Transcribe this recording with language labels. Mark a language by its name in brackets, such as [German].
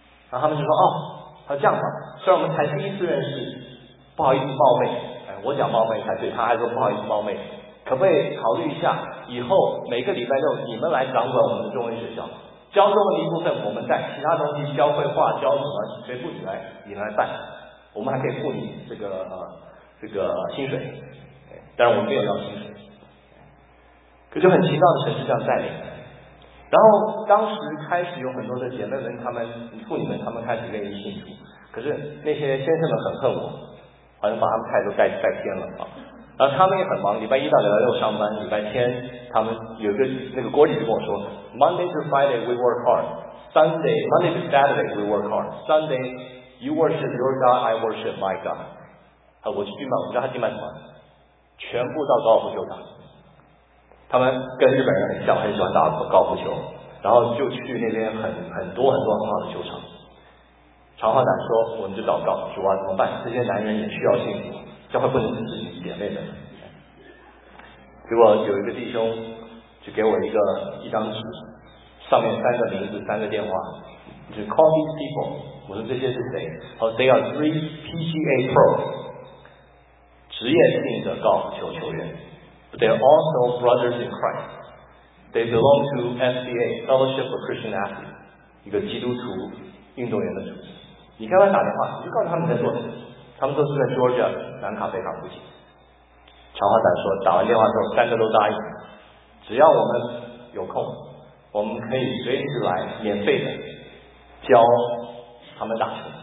[Chinese] 然后他们就说他说这样吧，虽然我们才第一次认识，不好意思冒昧，我讲冒昧才对，他还说不好意思冒昧，可不可以考虑一下以后每个礼拜六你们来掌管我们的中文学校，教中文一部分我们带，其他东西教绘画教什么谁不起来你来办，我们还可以付你这个薪水，但是我们没有要薪水。可就很奇妙的神是这样带领。然后当时开始有很多的姐妹们，她们妇女们，她们开始愿意信主。可是那些先生们很恨我，好像把他们太都带偏了啊。然后他们也很忙，礼拜一到礼拜六上班，礼拜天他们有个那个郭丽就跟我说 [English] ，Monday to Friday we work hard, Sunday Monday to Saturday we work hard, Sunday you worship your God, I worship my God。 [Chinese] 我去敬拜，我知道他敬拜什么，全部到高尔夫球场。他们跟日本人很像，很喜欢打高尔夫球，然后就去那边很多很多很好的球场。长话短说，我们就祷告，主啊怎么办？这些男人也需要幸福，教会不能只是你姐妹们。结果有一个弟兄就给我一张纸，上面三个名字，三个电话，就 [English] call these people。 [Chinese] 我说这些是谁？他说 [English] they are three PGA pro [Chinese] 职业性的高尔夫球球员。 [English] But they are also brothers in Christ. They belong to FCA, Fellowship of Christian Athletes, [Chinese] 一个基督徒运动员的组织。你刚才打电话，你就告诉他们在做什么。他们都是在 Georgia 南卡北卡附近。长话短说，打完电话之后，三个都答应，只要我们有空，我们可以随时来免费的教他们打球。